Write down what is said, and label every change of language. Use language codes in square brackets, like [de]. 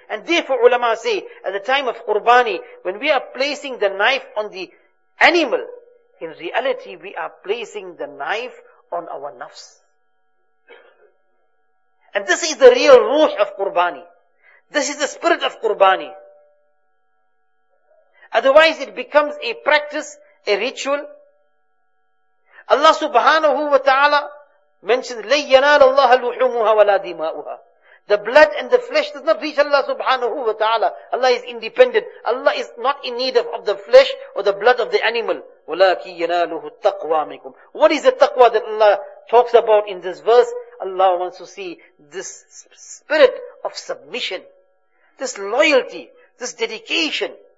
[en] And therefore ulama say, at the time of qurbani, when we are placing the knife on the animal, in reality we are placing the knife on our nafs. And this is the real ruh of qurbani. This is the spirit of qurbani. Otherwise it becomes a practice, a ritual. Allah subhanahu wa ta'ala mentions, [ar] لَن يَنَالَ اللَّهَ لُحُومُهَا وَلَا دِمَاؤُهَا. [en] The blood and the flesh does not reach Allah subhanahu wa ta'ala. Allah is independent. Allah is not in need of the flesh or the blood of the animal. [ar] وَلَاكِ يَنَالُهُ التَّقْوَى مِكُمْ. [en] What is the taqwa that Allah talks about in this verse? Allah wants to see this spirit of submission, this loyalty, this dedication.